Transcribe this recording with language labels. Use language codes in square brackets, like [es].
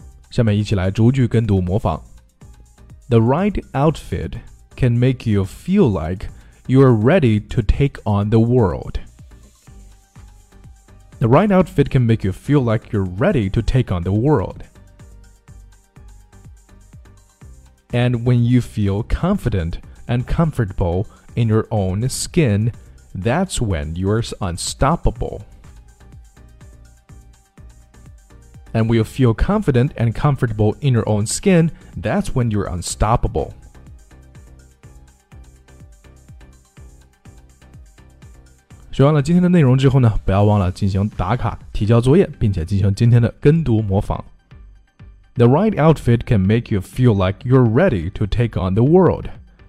[zh] 下面一起来逐句跟读模仿。 [en] The right outfit can make you feel like you're ready to take on the world. The right outfit can make you feel like you're ready to take on the world. And when you feel confident and comfortable in your own skin, that's when you're unstoppable. And when you feel confident and comfortable in your own skin, that's when you're unstoppable. [zh] 学完了今天的内容之后呢，不要忘了进行打卡、提交作业，并且进行今天的跟读模仿。 [en] The right outfit can make you feel like you're ready to take on the world.